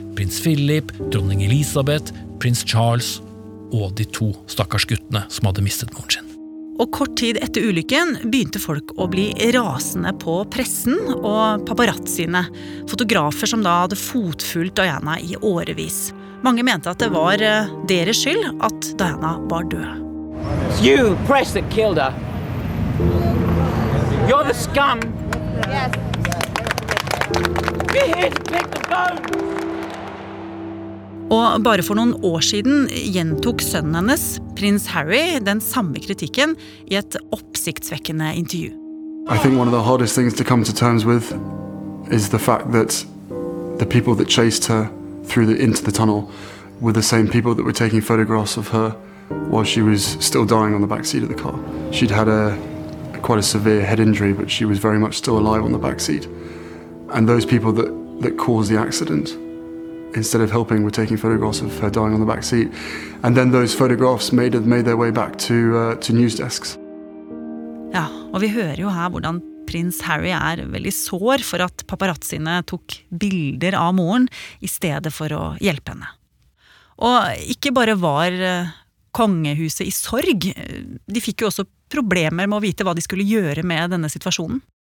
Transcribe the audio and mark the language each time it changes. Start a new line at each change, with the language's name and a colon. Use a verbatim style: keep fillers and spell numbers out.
Norwegian: Prins Philip, dronning Elisabeth, prins Charles og de to stakkars guttene som hadde mistet moren sin. Og kort tid etter ulykken begynte folk å bli rasende på pressen og paparazziene, fotografer som da hadde fotfulgt Diana i årevis. Mange mente at det var deres skyld at Diana var død.
English: You press that killed her. You're the scum. Yes. You're here to pick the bone.
Norwegian: Og bare for noen år siden gjentok sønnen hennes, prins Harry, den samme kritikken i et oppsiktsvekkende intervju.
English: I think one of the hardest things to come to terms with is the fact that the people that chased her through the, into the tunnel were the same people that were taking photographs of her while she was still dying on the back seat of the car. She'd had a quite a severe head injury, but she was very much still alive on the back seat. And those people that, that caused the accident, instead of helping, were taking photographs of her dying on the back seat. And then those photographs made made their way back to uh, to news desks.
Norwegian: Ja, og vi hører jo her hvordan prins Harry er veldig sår for at paparazziene tok bilder av moren i stedet for å hjelpe henne. Og ikke bare var kongehuset i sorg, de fikk jo også problemer med å vite hva de skulle gjøre med denne situasjonen.